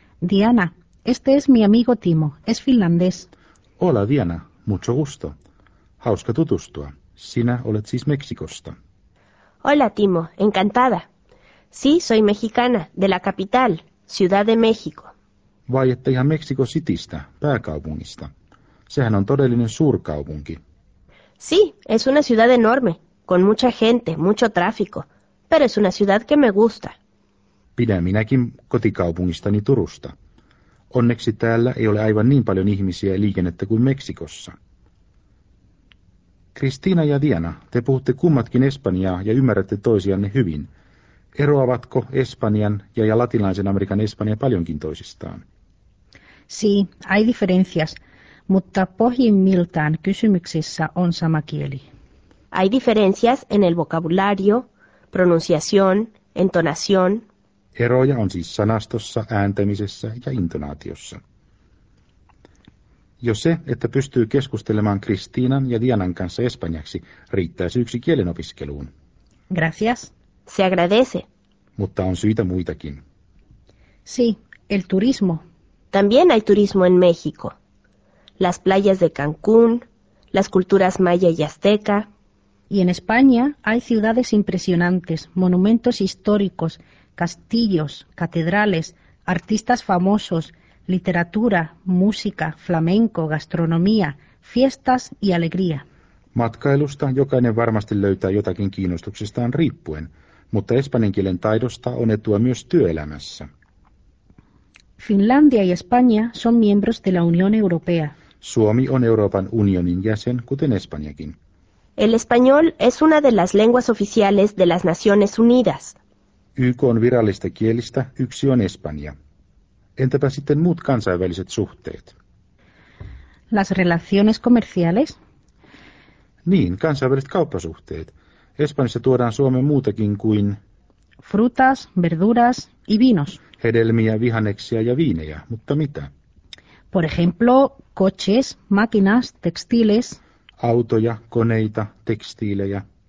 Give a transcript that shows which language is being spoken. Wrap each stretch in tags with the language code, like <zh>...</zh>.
<es>Diana, este es mi amigo Timo, es finlandés. Hola Diana, mucho gusto.</es> <fi>Hauska tutustua. Sinä olet siis Meksikosta.</fi> <es>Hola Timo, encantada. Sí, soy mexicana, de la capital, Ciudad de México.</es> <fi>Vai että ihan Mexico Citystä, pääkaupungista. Sehän on todellinen suurkaupunki.</fi> <es>Sí, es una ciudad enorme, con mucha gente, mucho tráfico, pero es una ciudad que me gusta.</es> <fi>Pidän minäkin kotikaupungistani Turusta. Onneksi täällä ei ole aivan niin paljon ihmisiä ja liikennettä kuin Meksikossa. Kristiina ja Diana, te puhutte kummatkin espanjaa ja ymmärrätte toisianne hyvin. Eroavatko Espanjan ja latinalaisen Amerikan Espanja paljonkin toisistaan?</fi> <es>Sí, hay diferencias,</es> <fi>mutta pohjimmiltaan kysymyksissä on sama kieli.</fi> <es>Hay diferencias en el vocabulario, pronunciación, entonación.</es> <fi>Eroja on siis sanastossa, ääntämisessä ja intonaatiossa. Jo se, että pystyy keskustelemaan Kristiinan ja Dianan kanssa espanjaksi, riittää syyksi kielenopiskeluun.</fi> <es>Gracias. Se agradece.</es> <fi>Mutta on syitä muitakin.</fi> <es>Sí, el turismo. También hay turismo en México. Las playas de Cancún, las culturas maya y azteca. Y en España hay ciudades impresionantes, monumentos históricos, castillos, catedrales, artistas famosos, literatura, música, flamenco, gastronomía, fiestas y alegría.</es> <fi>Matkailusta jokainen varmasti löytää jotakin kiinnostuksestaan riippuen, mutta espanjan kielen taidosta on etua myös työelämässä.</fi> <es>Finlandia y España son miembros de la Unión Europea.</es> <fi>Suomi on Euroopan unionin jäsen, kuten Espanjakin.</fi> <es>El español es una de las lenguas oficiales de las Naciones Unidas.</es> <fi>YK:n virallista kielistä yksi on espanja. Entäpä sitten muut kansainväliset suhteet?</fi> <es>Las relaciones comerciales.</es> <fi>Niin, kansainväliset kauppasuhteet. Espanjassa tuodaan Suomeen muutakin kuin</fi> <es>frutas, verduras y vinos.</es> <fi>Hedelmiä, vihanneksia ja viinejä, mutta mitä?</fi> <es>Por ejemplo, coches, máquinas, textiles.</es> <fi>Autoja, koneita, tekstiilejä.</fi>